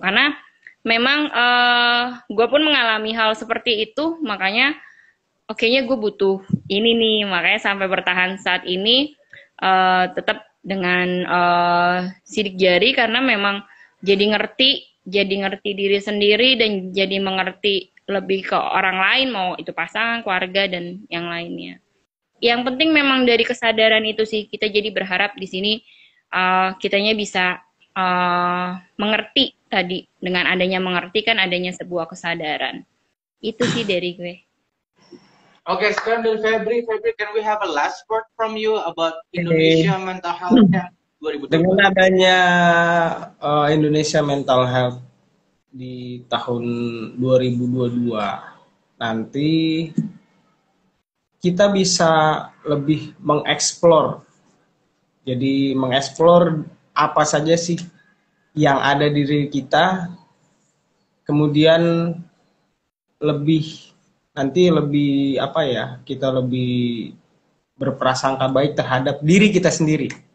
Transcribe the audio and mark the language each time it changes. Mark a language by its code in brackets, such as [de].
[id] Karena memang gue pun mengalami hal seperti itu, makanya okay-nya gue butuh ini nih, makanya sampai bertahan saat ini tetap dengan sidik jari, karena memang jadi ngerti diri sendiri dan jadi mengerti lebih ke orang lain, mau itu pasangan, keluarga, dan yang lainnya. Yang penting memang dari kesadaran itu sih, kita jadi berharap di sini kitanya bisa mengerti tadi, dengan adanya mengerti kan adanya sebuah kesadaran. Itu sih dari gue. Okay, sekarang dari Febri. [en] Febri, can we have a last word from you about Indonesia Mental Health Camp 2020? [id] Dengan adanya Indonesia Mental Health di tahun 2022 nanti, kita bisa lebih mengeksplor. Jadi mengeksplor apa saja sih yang ada di diri kita, kemudian lebih nanti lebih apa ya, kita lebih berprasangka baik terhadap diri kita sendiri.